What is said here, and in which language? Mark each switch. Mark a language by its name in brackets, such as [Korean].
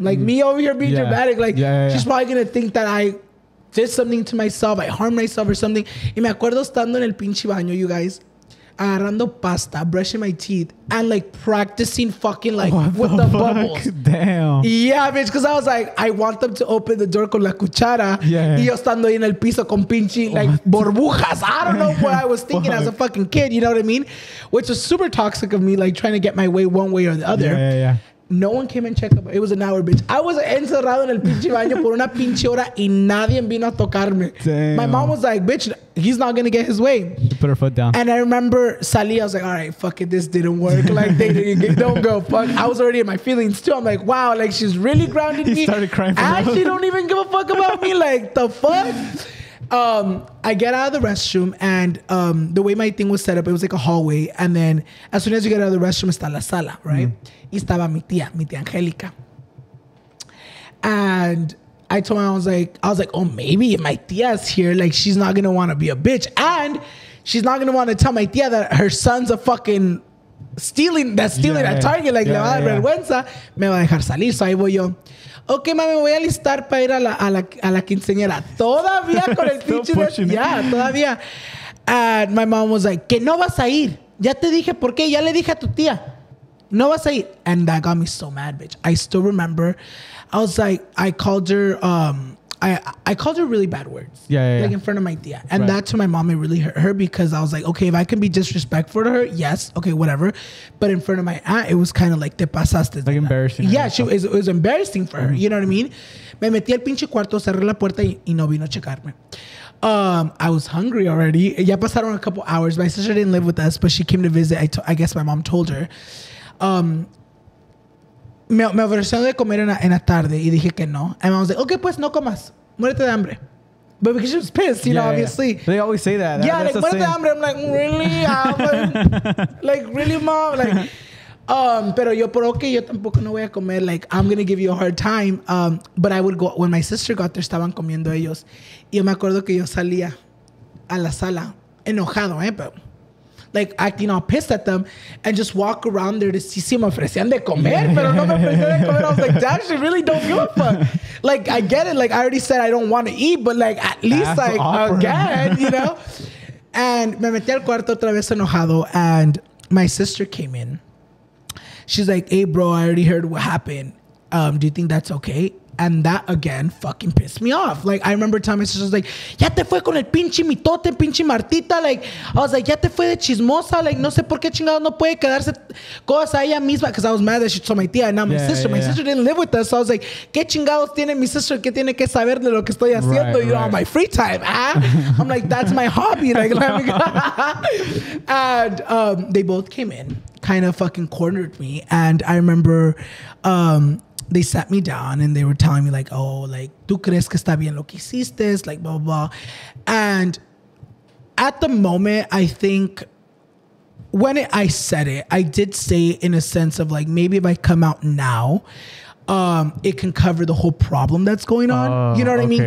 [English] Like, me over here being dramatic, like, she's probably going to think that I did something to myself, I harmed myself or something. [Spanish] Y me acuerdo estando en el pinche baño, [English] you guys, [Spanish] agarrando pasta, [English] brushing my teeth, and like practicing fucking like with the fuck? Bubbles. Damn. Yeah, bitch, because I was like, I want them to open the door [Spanish] con la cuchara. [English] Yeah. [Spanish] Y yo estando ahí en el piso con pinche like burbujas. [English] I don't know what I was thinking as a fucking kid, you know what I mean? Which was super toxic of me, like trying to get my way one way or the other. Yeah. No one came and checked up. It was an hour, bitch. I was [Spanish] encerrado en el pinche baño por una pinche hora y nadie vino a tocarme. [English] Damn. My mom was like, bitch, he's not gonna get his way. Put her foot down. And I remember Sally, I was like, all right, fuck it, this didn't work. Like, they didn't get, don't go, fuck. I was already in my feelings too. I'm like, wow, like, she's really grounded me. Started crying for and she don't even give a fuck about me. Like, the fuck? I get out of the restroom, and the way my thing was set up, it was like a hallway. And then as soon as you get out of the restroom, [Spanish] está la sala, [English] right? [Spanish] Y estaba mi tía Angélica. [English] And I told my mom, I was like, oh, maybe if my tía's here, like, she's not going to want to be a bitch. And she's not going to want to tell my tía that her son's a fucking stealing at Target. [Spanish] Like, le va a dar vergüenza. Me va a dejar salir. So ahí voy yo. Okay, mami, voy a listar para ir a la quinceañera. Todavía con el pinche. Yeah, todavía. [English] And my mom was like, [Spanish] que no vas a ir. Ya te dije por qué. Ya le dije a tu tía. No vas a ir. [English] And that got me so mad, bitch. I still remember. I was like, I called her, I called her really bad words. Yeah. Like in front of my tía. And that to my mom, it really hurt her because I was like, okay, if I can be disrespectful to her, yes, okay, whatever. But in front of my aunt, it was kind of like, [Spanish] te pasaste. [English] Like embarrassing. Yeah, it was embarrassing for her. You know what I mean? [Spanish] Me metí al pinche cuarto, cerré la puerta y no vino a checarme. [English] I was hungry already. [Spanish] Ya pasaron [English] a couple hours. My sister didn't live with us, but she came to visit. I guess my mom told her. [Spanish] Me ofrecieron de comer en la tarde y dije que no. [English] And I was like, okay, [Spanish] pues no comas. Muérete de hambre. [English] But because she was pissed, you know, obviously. They always say that. Yeah, that's like, [Spanish] muérete de hambre. [English] I'm like, really? like, really, mom? [Spanish] Like, pero yo por okay, yo tampoco no voy a comer. [English] Like, I'm going to give you a hard time. But I would go, when my sister got there, [Spanish] estaban comiendo ellos. Y yo me acuerdo que yo salía a la sala enojado, [English] but like acting all pissed at them and just walk around there to see [Spanish] si me ofrecían de comer, [English] pero no me ofrecían de comer. I was like, damn, she really don't give a fuck. Like, I get it. Like, I already said I don't want to eat, but like, at least that's like, awkward. Again, you know? [Spanish] And me metí al cuarto otra vez enojado [English] and my sister came in. She's like, hey, bro, I already heard what happened. Do you think that's okay? And that, again, fucking pissed me off. Like, I remember telling my sister, I was like, [Spanish] ya te fue con el pinche mitote, pinche Martita. Like, I was like, ya te fue de chismosa. Like, no sé por qué chingado no puede quedarse cosa ella misma. [English] Because I was mad that she told my tía, not my sister. Yeah. My sister didn't live with us. So I was like, [Spanish] qué chingados tiene mi sister que tiene que saber de lo que estoy haciendo [English] on my free time. I'm like, that's my hobby. Like, let me go. And they both came in, kind of fucking cornered me. And I remember they sat me down and they were telling me like, oh, like, [Spanish] ¿tú crees que está bien lo que hiciste? [English] Like, blah, blah, blah. And at the moment, I think when I said it, I did say it in a sense of like, maybe if I come out now, it can cover the whole problem that's going on. You know what I mean?